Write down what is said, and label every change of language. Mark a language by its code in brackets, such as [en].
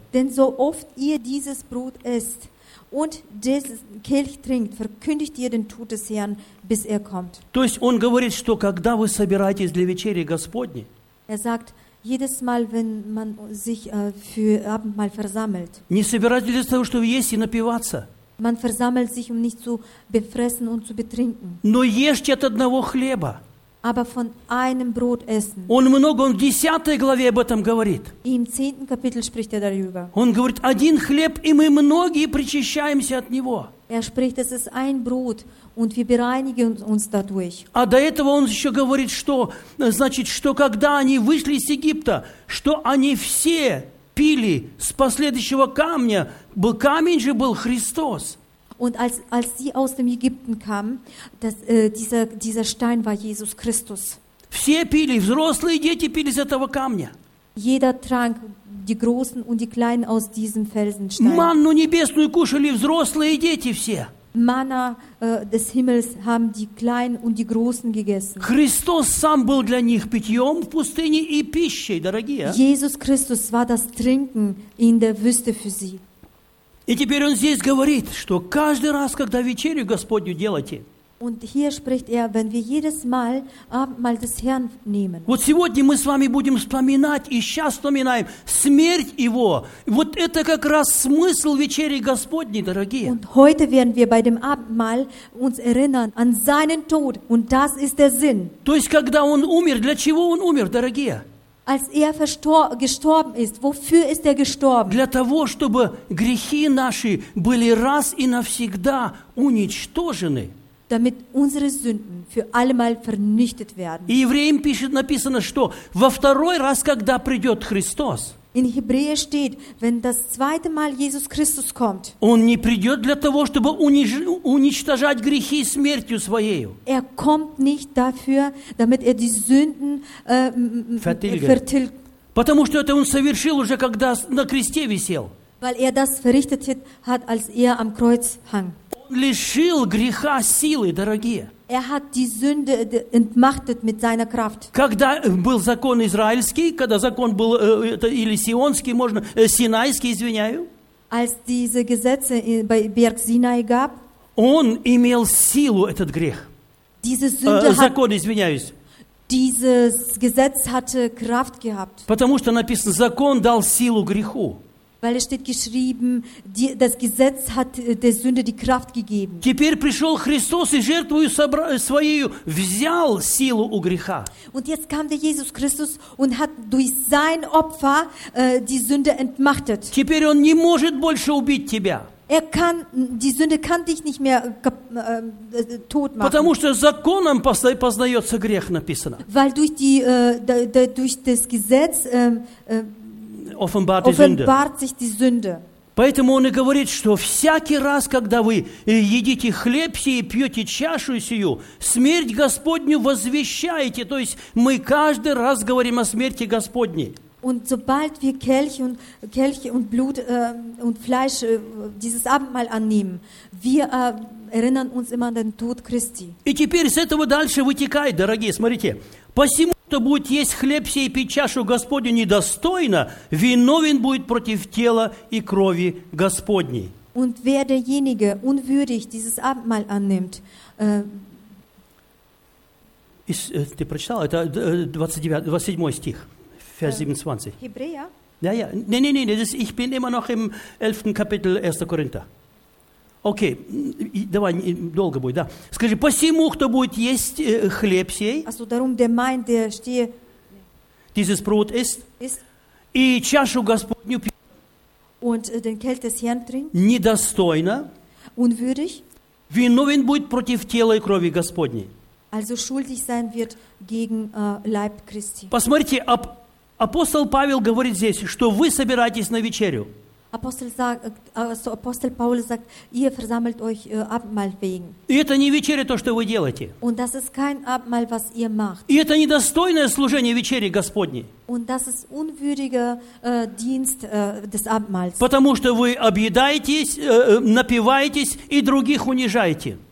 [de] Denn so oft ihr dieses Brot esst und dieses Kelch trinkt, verkündigt ihr den Tod des Herrn, bis er kommt. [ru] То есть он говорит, что когда вы собираетесь для вечери Господней, [de] er sagt, jedes Mal, wenn man sich für Abendmahl versammelt. [ru] Не собирайтесь для того, чтобы есть и напиваться. [de] Man versammelt sich, nicht zu befressen und zu betrinken. [ru] Но ешьте от одного хлеба. [de] Aber von einem Brot essen. [ru] Он много, он в 10 главе об этом говорит. [de] И im 10. Kapitel spricht darüber. [ru] Он говорит, один хлеб, и мы многие причащаемся от него. [de] Spricht, es ist ein Brot, und wir bereinigen uns dadurch. [ru] А до этого он еще говорит, что, значит, что когда они вышли из Египта, что они все пили с последующего камня, был камень же был Христос. [de] Und als sie aus dem Ägypten kamen, dieser Stein war Jesus Christus. [ru] Все пили, взрослые дети пили из этого камня. [de] Jeder trank, die Großen und die Kleinen aus diesem Felsenstein. [ru] Манну небесную кушали взрослые дети все. [de] Manna des Himmels haben die Kleinen und die Großen gegessen. [ru] Христос сам был для них питьем в пустыне и пищей, дорогие. [de] Jesus Christus war das Trinken in der Wüste für sie. [ru] И теперь он здесь говорит, что каждый раз, когда вечерю Господню делаете. [de] Und hier spricht er, wenn wir jedes Mal Abendmahl des Herrn nehmen. [ru] Вот сегодня мы с вами будем вспоминать и сейчас вспоминаем смерть Его. Вот это как раз смысл вечери Господней, дорогие. [de] Und heute werden wir bei dem Abendmahl uns erinnern an seinen Tod, und das ist der Sinn. [ru] То есть когда Он умер, для чего Он умер, дорогие? [de] Als er gestorben ist, wofür ist er gestorben? [ru] Для того, чтобы грехи наши были раз и навсегда уничтожены. [de] Damit unsere Sünden für allemal vernichtet werden. [ru] И евреям пишет, написано, что во второй раз, когда придет Христос, [de] In Hebräer steht, wenn das zweite Mal Jesus Christus kommt, [ru] Он не придет для того, чтобы уничтожать грехи смертью Своею. [de] Er kommt nicht dafür, damit er die Sünden vertilgt. [ru] Потому что это Он совершил уже, когда на кресте висел. [de] Weil er das verrichtet hat, als er am Kreuz hang. [ru] Он лишил греха силы, дорогие. [de] Er hat die Sünde entmachtet mit seiner Kraft. [ru] Когда был закон израильский, когда закон был или сионский, можно синайский, извиняю. [de] Als diese Gesetze bei Berg Sinai gab. [ru] Он имел силу этот грех. [de] Diese Sünde [ru] закон, извиняюсь. [de] Dieses Gesetz hatte Kraft gehabt. [ru] Потому что написано, закон дал силу греху. [de] Weil es steht geschrieben, das Gesetz hat der Sünde die Kraft gegeben. [ru] Теперь пришел Христос и жертвою своей взял силу у греха. [de] Und jetzt kam der Jesus Christus und hat durch sein Opfer die Sünde entmachtet. [ru] Теперь он не может больше убить тебя. [de] Er kann, die Sünde kann dich nicht mehr tot machen. [ru] Потому что законом познается грех, написано. [de] Weil durch die durch das Gesetz offenbart sich die Sünde. [ru] Поэтому он и говорит, что всякий раз, когда вы едите хлеб сей, пьете чашу сию, смерть Господню возвещаете. То есть мы каждый раз говорим о смерти Господней. [de] Und sobald wir Kelch und Blut und Fleisch dieses Abendmahl annehmen, wir erinnern uns immer an den Tod Christi. [ru] И теперь с этого дальше вытекает, дорогие, смотрите. Посему кто будет есть хлеб сей и пить чашу Господню недостойно, виновен будет против тела и крови Господней. [de] Und wer derjenige unwürdig dieses Abendmahl annimmt, [ru] ты прочитал? Это 27 стих. [de] Vers 27. Hebräer? Ja, ja. Nee, ich bin immer noch im 11. Kapitel 1. Korinther. [ru] Okay, давай, долго будет, да. Скажи, посему, кто будет есть хлеб сей, [de] also, darum, der mein, der stehe, dieses Brot ist, ist, [ru] и чашу Господню пьет, [de] und den Kelch des Herrn trinkt, [ru] недостойно, [de] unwürdig, [ru] виновен будет против тела и крови Господней. [de] Also schuldig sein wird gegen Leib Christi. [ru] Посмотрите, апостол Павел говорит здесь, что вы собираетесь на вечерю. [de] Апостол Павел sagt, ihr versammelt euch Abendmahl wegen. [ru] И это не вечеря то, что вы делаете. [de] Und das ist kein Abendmahl, was ihr macht. [ru] И это недостойное служение вечери Господней. [de] Und das ist unwürdiger Dienst des Abendmahls. [ru] Потому что вы объедаетесь, напиваетесь и других унижаете.